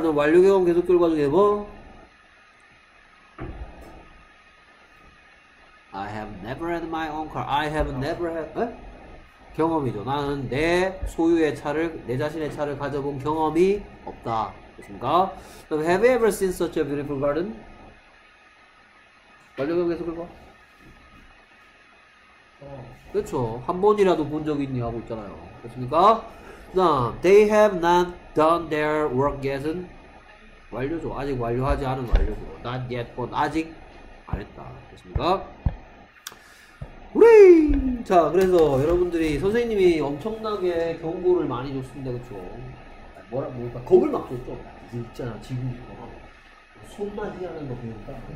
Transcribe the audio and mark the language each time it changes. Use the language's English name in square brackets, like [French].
[Korean] 너 완료경험 계속결과 중에 뭐? [English] I have never had my own car. I have never had... [Korean] 에? 경험이죠. 나는 내 소유의 차를, 내 자신의 차를 가져본 경험이 없다. 그렇습니까? [English] So have you ever seen such a beautiful garden? [Korean] 완료경험 계속결과? 그렇죠. 한 번이라도 본 적이 있니 하고 있잖아요. 그렇습니까? [English] 자, they have not done their work yet은 [Korean] 완료죠. 아직 완료하지 않은 완료죠. [English] Not yet, but [Korean] 아직 안 했다. 그렇습니까? 우리 자, 그래서 여러분들이 선생님이 엄청나게 경고를 많이 줬습니다. 그렇죠? 뭐라 뭘까? 겁을 막 줬죠. 이제 있잖아, 지금 있고 손맛이 하는 거 보니까